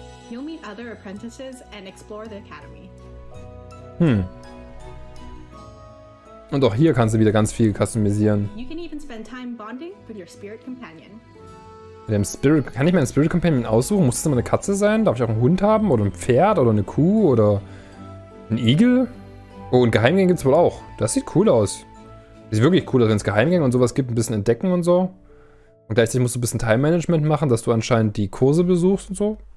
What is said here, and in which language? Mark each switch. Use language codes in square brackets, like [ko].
[en] You'll meet other apprentices and explore the academy. [de] Und auch hier kannst du wieder ganz viel customisieren. [en] You can even spend time bonding with your spirit companion. [de] Mit dem Spirit, kann ich meinen Spirit Companion aussuchen? Muss es immer eine Katze sein? Darf ich auch einen Hund haben? Oder ein Pferd? Oder eine Kuh? Oder... ein Igel? Oh, und Geheimgänge gibt's wohl auch. Das sieht cool aus. Das sieht wirklich cool aus, wenn es Geheimgänge und sowas gibt, ein bisschen entdecken und so. Und gleichzeitig musst du ein bisschen Time-Management machen, dass du anscheinend die Kurse besuchst und so.